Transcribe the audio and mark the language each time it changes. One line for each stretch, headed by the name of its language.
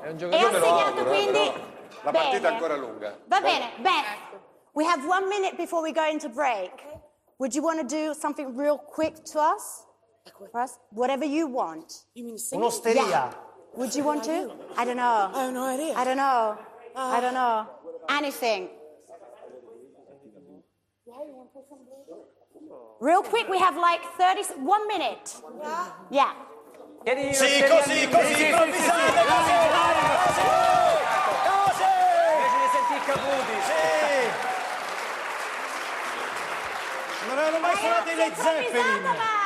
Italian: È un giocatore. E ha segnato, auguro, quindi. La partita bene. È ancora lunga. Va bene.
English: Beh, we have 1 minute before we go into break. Okay. Would you want to do something real quick to us? For us? Whatever you want. You mean Un'osteria. Yeah. Would you want to? I don't know. I have no idea. I don't know. I don't know. Anything. Real quick, we have like 30, 1 minute. Yeah. Yeah.
Italian: Sì, così, così, improvvisate, così, così, così. Senti i caputi. Sì. Non erano mai suonate le Zeppelin.